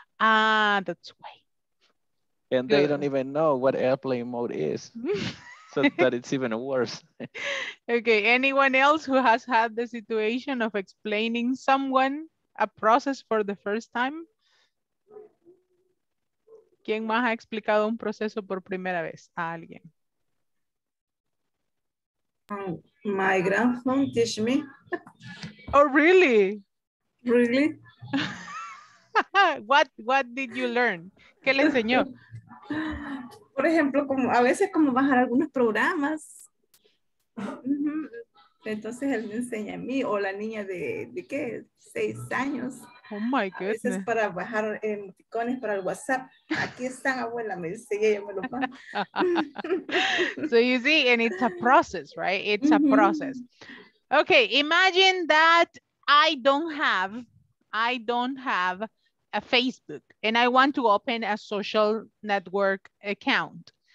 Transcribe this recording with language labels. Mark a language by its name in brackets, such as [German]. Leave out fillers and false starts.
[English] Ah, that's why. And they don't even know what airplane mode is. So that it's even worse. Okay, anyone else who has had the situation of explaining someone a process for the first time? [Spanish] ¿Quién más ha explicado un proceso por primera vez? ¿A alguien? [English] My grandson teach me. Oh, really? Really? What did you learn? [Spanish] ¿Qué le enseñó? Por ejemplo, como a veces como bajar algunos programas. Entonces él me enseña a mí o la niña de qué, 6 años. [English] Oh my goodness. [Spanish] A veces para bajar emoticones para el WhatsApp. Aquí están, abuela, me dice ella, me lo pasa. [English] So you see, and it's a process, right? It's a process. Okay, imagine that I don't have a Facebook and I want to open a social network account.